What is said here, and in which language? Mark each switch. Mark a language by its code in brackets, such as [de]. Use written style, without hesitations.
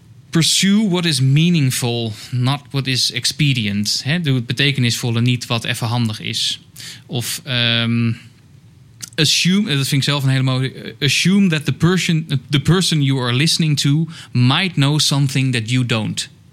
[en] pursue what is meaningful, not what is expedient. [nl] He, doe het betekenisvolle, niet wat even handig is. Of assume, dat vind ik zelf een hele mooie. [en] Assume that the person you are listening to might know something that you don't.